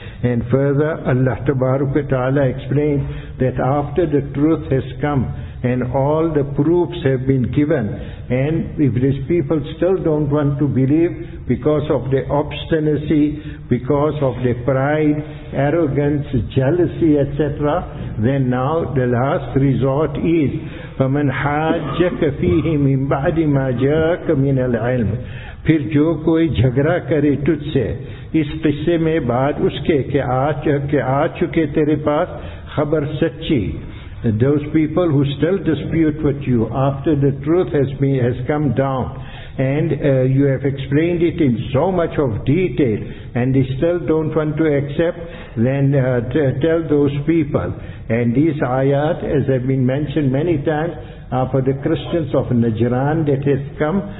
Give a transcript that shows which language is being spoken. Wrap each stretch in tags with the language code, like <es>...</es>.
<en>And further, Allah Ta'ala explained that after the truth has come and all the proofs have been given, and if these people still don't want to believe because of their obstinacy, because of their pride, arrogance, jealousy, etc., then now the last resort is</en> <ar>فَمَنْ حَاجَّكَ فِيهِ مِنْ بَعْدِ مَا جَاكَ مِنَ الْعِلْمِ.</ar> <ur>پھر جو کوئی جھگڑا کرے تجھ سے اس قصے میں بعد اس کے کہ آ چکے تیرے پاس خبر سچی.</ur> <en>Those people who still dispute with you after the truth has come down, and you have explained it in so much of detail, and they still don't want to accept, then tell those people. And these ayat, as have been mentioned many times, are for the Christians of Najran that has come.</en>